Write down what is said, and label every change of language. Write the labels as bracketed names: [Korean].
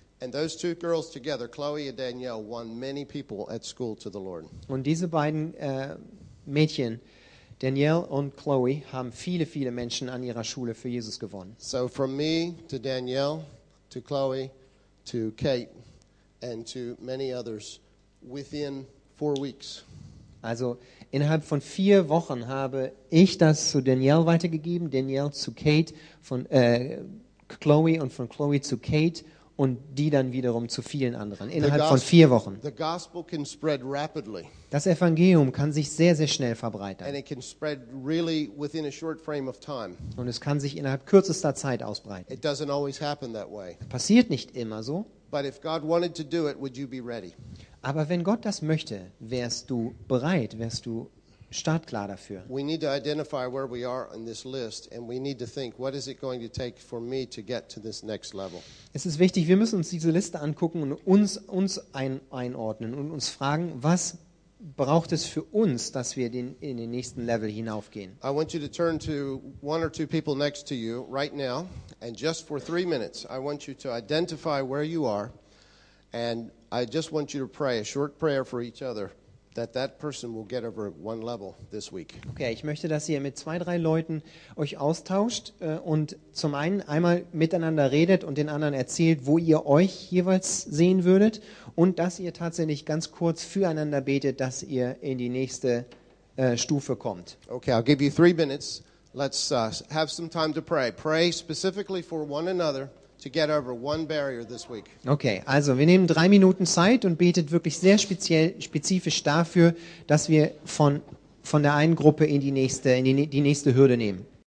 [English] And those two girls together, Chloe and Danielle, won many people at school to the Lord. [German] Und diese beiden Mädchen, Danielle und Chloe, haben viele, viele Menschen an ihrer Schule für Jesus gewonnen. [English] So from me to Danielle, to Chloe, to Kate, and to many others within 4 weeks. [German] Also innerhalb von 4 Wochen habe ich das zu Danielle weitergegeben, Danielle zu Kate, von Chloe und von Chloe zu Kate. Und die dann wiederum zu vielen anderen, innerhalb von 4 Wochen. [English] The gospel can spread rapidly. [German] Das Evangelium kann sich sehr, sehr schnell verbreitern. [English] And it can spread really within a short frame of time. [German] Und es kann sich innerhalb kürzester Zeit ausbreiten. [English] It doesn't always happen that way. [German] Passiert nicht immer so. [English] But if God wanted to do it, would you be ready? [German] Aber wenn Gott das möchte, wärst du bereit, wärst du startklar dafür. [English] We need to identify where we are on this list and we need to think, what is it going to take for me to get to this next level? [German] Es ist wichtig, wir müssen uns diese Liste angucken und uns einordnen und uns fragen, was braucht es für uns, dass wir in den nächsten Level hinaufgehen? [English] I want you to turn to one or two people next to you right now and just for 3 minutes, I want you to identify where you are and I just want you to pray a short prayer for each other. That person will get over one level this week. [German] Okay, ich möchte, dass ihr mit 2, 3 Leuten euch austauscht und zum einen einmal miteinander redet und den anderen erzählt, wo ihr euch jeweils sehen würdet und dass ihr tatsächlich ganz kurz füreinander betet, dass ihr in die nächste Stufe kommt. [English] Okay, I'll give you 3 minutes. Let's have some time to pray. Pray specifically for one another. To get over one barrier this week. [German] Okay, also wir nehmen 3 Minuten Zeit und betet wirklich sehr spezifisch dafür, dass wir von der einen Gruppe in die nächste Hürde nehmen.